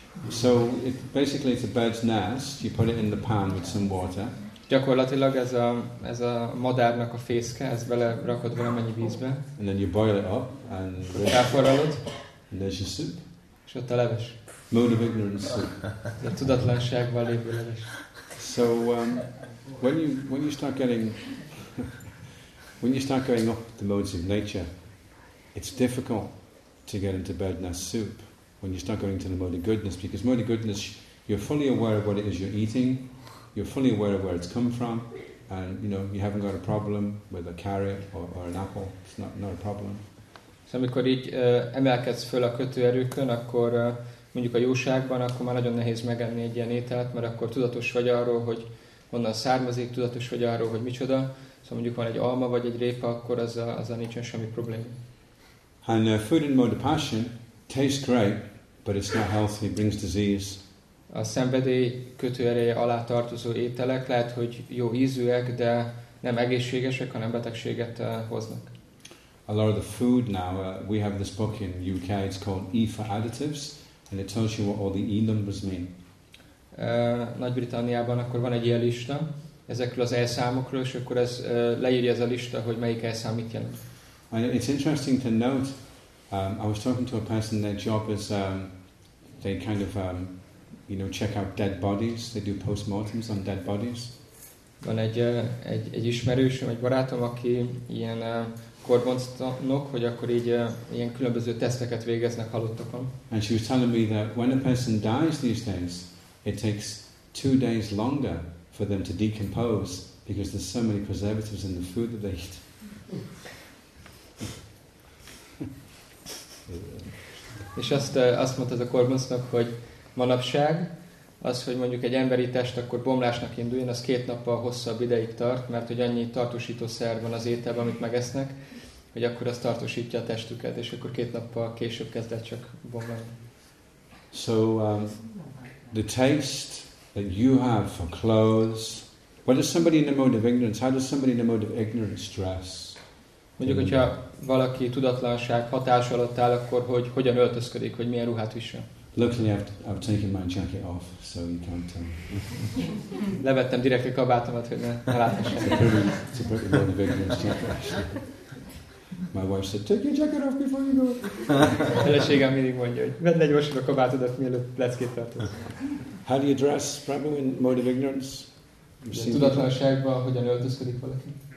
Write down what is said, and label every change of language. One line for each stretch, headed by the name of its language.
English: So basically it's a bird's nest, you put it in the pan with some water.
Hungarian: Gyakorlatilag ez a madárnak a fészke, ez bele rakod valamennyi vízbe.
English: And then you boil it up and
Hungarian: ráforralod.
English: And there's your soup.
Hungarian: És ott a leves.
English: Mode of ignorance soup.
Hungarian: A tudatlanságban lévő leves.
English: So when you start going up the modes of nature, it's difficult to get into bird's nest soup. When you start going to the mode of goodness, because mode of goodness, you're fully aware of what it is you're eating, you're fully aware of where it's come from, and you know you haven't got a problem with a carrot or an apple. It's not a problem.
Hungarian: So, amikor így emelkedsz föl a kötőerőkön, akkor mondjuk a jóságban, akkor már nagyon nehéz megenni egy ilyen ételt, mert akkor tudatos vagy arról, hogy honnan származik, tudatos vagy arról, hogy micsoda. Szóval mondjuk van egy alma vagy egy répa, akkor azzal nincsen semmi probléma.
English: And food in mode of passion tastes great, but it's not healthy, it brings disease.
Hungarian: A szenvedély kötőereje alá tartozó ételek lehet, hogy jó ízűek, de nem egészségesek, hanem betegséget hoznak.
English: A lot of the food now, we have this book in UK, it's called E for Additives, and it tells you what all the E numbers mean.
Hungarian: Nagy-Britanniában akkor van egy ilyen lista ezekről az E-számokról, és akkor ez leírja ez a lista, hogy melyik E-szám mit jelent.
English: And it's interesting to note, I was talking to a person, their job is they kind of check out dead bodies, they do postmortems on dead bodies.
Hungarian: Van egy ismerősöm, egy barátom, aki ilyen korbonztatnok, hogy akkor így ilyen különböző teszteket végeznek halottakon.
English: And she was telling me that when a person dies these days, it takes 2 days longer for them to decompose because there's so many preservatives in the food that they eat.
Hungarian: És azt mondta ez a korbonztatnok, hogy manapság az, hogy mondjuk egy emberi test akkor bomlásnak induljon, az 2 nappal hosszabb ideig tart, mert hogy annyi tartósítószer van az ételben, amit megesznek, hogy akkor az tartósítja a testüket, és akkor 2 nappal később kezd el csak bomlani.
English: So the taste that you have for clothes, what does somebody in the mode of ignorance, how does somebody in the mode of ignorance dress?
Hungarian: Mondjuk, hogyha valaki tudatlanság hatás alatt áll, akkor hogyan öltözködik, hogy milyen ruhát visel?
English: Luckily, I've taken my jacket off, so you can't tell.
Hungarian: Levettem direkt a kabátomat, hogy ne láthassák.
English: It's a pretty mode of ignorance jacket, actually. My wife said, take your jacket off before you go.
Hungarian: A feleségem mindig mondja, hogy vedd le gyorsan a kabátodat, mielőtt leckét tartod.
English: How do you dress, probably, in mode of ignorance?
Hungarian: Tudatlanságban hogyan öltözködik valaki?